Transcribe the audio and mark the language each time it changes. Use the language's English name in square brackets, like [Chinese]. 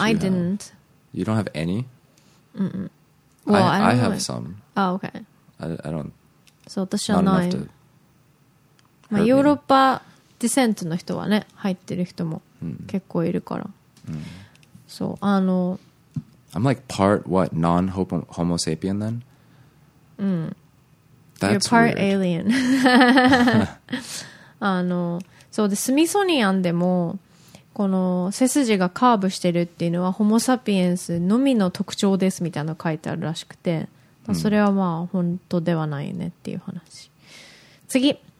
[English] I didn't. You don't have any. Mm-mm. Well, I have some. Oh, okay. I don't. [Japanese] So, 私はない。まあヨーロッパディセントの人はね、入ってる人も結構いるから。 So, あの。 [English] I'm like part what non-Homo sapien then? Mm. That's、 You're part、 weird. alien. [Japanese] あの、そうで、スミソニアンでも、この背筋がカーブしてるっていうのは、ホモサピエンスのみの特徴ですみたいなの書いてあるらしくて、それはまあ、本当ではないねっていう話。次。